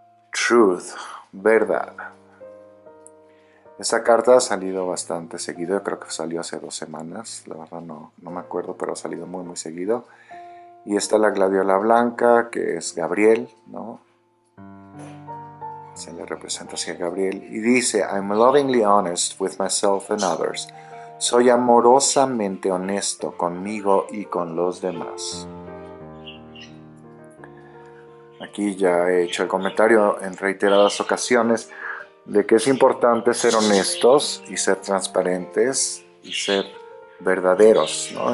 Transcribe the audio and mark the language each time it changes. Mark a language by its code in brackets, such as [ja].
[es] Truth, verdad. Esta carta ha salido bastante seguido, yo creo que salió hace 2 semanas, la verdad no me acuerdo, pero ha salido muy, muy seguido. Y está la gladiola blanca, que es Gabriel, ¿no? Se le representa así a Gabriel. Y dice, [en] I'm lovingly honest with myself and others. [es] Soy amorosamente honesto conmigo y con los demás. Aquí ya he hecho el comentario en reiteradas ocasiones de que es importante ser honestos y ser transparentes y ser verdaderos, ¿no?